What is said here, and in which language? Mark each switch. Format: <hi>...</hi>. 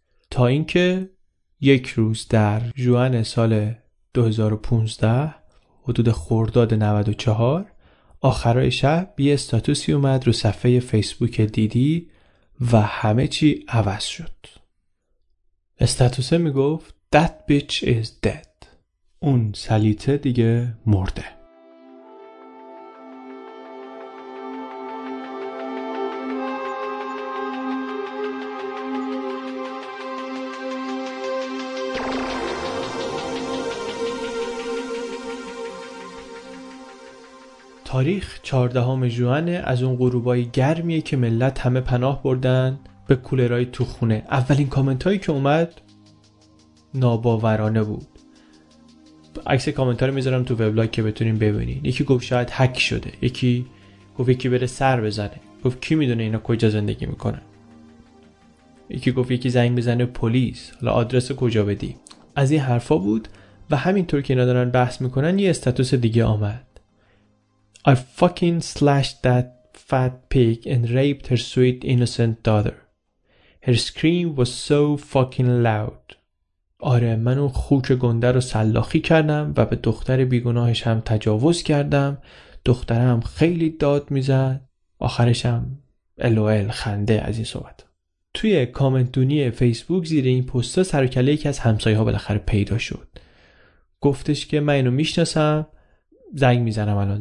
<fa>تا اینکه یک روز در جوان سال 2015 حدود خرداد 94 آخرای شب یه استاتوسی اومد رو صفحه فیسبوک دیدی و همه چی عوض شد. استاتوسه میگفت</fa> <en>That bitch is dead.</en> <fa>اون سلیته دیگه مرده. تاریخ 14 ژوئن از اون غروبای گرمیه که ملت همه پناه بردن به کولرای تو خونه. اولین کامنت هایی که اومد ناباورانه بود. عکس کامنتا رو میذارم تو وبلاگ که بتونین ببینین. یکی گفت شاید هک شده، یکی گفت یکی بره سر بزنه، گفت کی میدونه اینا کجا زندگی میکنن، یکی گفت یکی زنگ بزنه پلیس، حالا آدرس کجا بدی. از این حرفا بود و همینطور که اینا دارن بحث میکنن یه استاتوس دیگه آمد:</fa> <en>I fucking slashed that fat pig and raped her sweet innocent daughter. Her scream was so fucking loud.</en> <fa>آره من اون خوک گنده رو سلاخی کردم و به دختر بیگناهش هم تجاوز کردم، دخترم خیلی داد میزد، آخرشم LOL خنده از این صحبت. توی کامنت دونی فیسبوک زیر این پستا سر و کله یکی از همسایه‌ها بالاخره پیدا شد، گفتش که من اینو میشناسم، زنگ میزنم الان.</fa>